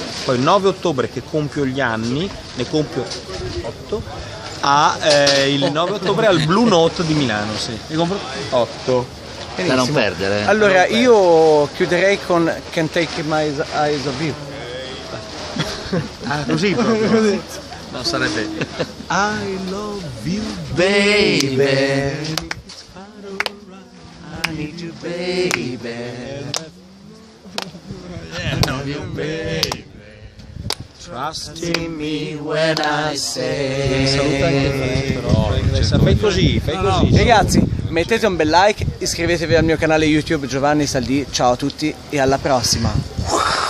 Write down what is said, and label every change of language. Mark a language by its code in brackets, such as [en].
[it] Poi 9 ottobre che compio gli anni, ne compio 8, a il 9 ottobre al Blue Note di Milano, sì, ne compro 8. Da non perdere. Allora non perdere. Io chiuderei con Can't Take My Eyes Off You. Ah, così proprio. No, sarebbe [en] I love you baby, it's far away, I need you baby, I love you baby, trust in me when I say. [it] Fai così, fai così. Ragazzi, mettete un bel like, iscrivetevi al mio canale YouTube Giovanni Saldì. Ciao a tutti e alla prossima.